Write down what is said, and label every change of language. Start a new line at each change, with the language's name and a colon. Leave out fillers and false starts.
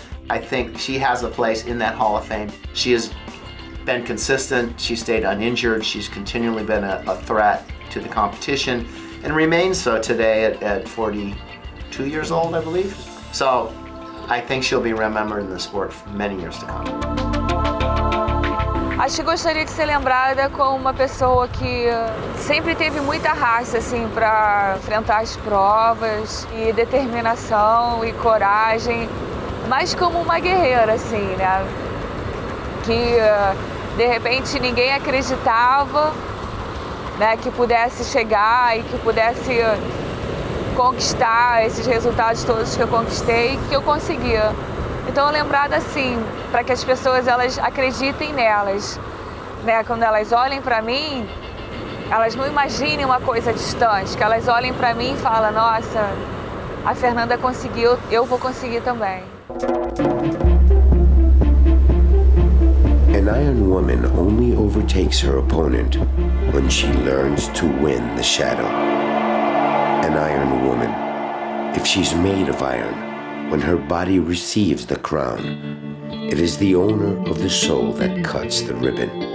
English: I think she has a place in that Hall of Fame. She has been consistent, she stayed uninjured, she's continually been a threat to the competition, and remains so today at 42 years old, I believe. So I think she'll be remembered in the sport for many years to come.
Portuguese: Acho que gostaria de ser lembrada como uma pessoa que sempre teve muita raça assim, para enfrentar as provas, e determinação e coragem, mas como uma guerreira, assim, né? Que de repente ninguém acreditava, né, que pudesse chegar e que pudesse conquistar esses resultados todos que eu conquistei e que eu conseguia. Então, lembrada assim, para que as pessoas elas acreditem nelas. Né? Quando elas olhem para mim, elas não imaginem uma coisa distante. Que elas olhem para mim e falem, nossa, a Fernanda conseguiu, eu vou conseguir também.
English: An Iron Woman only overtakes her opponent when she learns to win the shadow. An Iron Woman, if she's made of iron, when her body receives the crown, it is the owner of the soul that cuts the ribbon.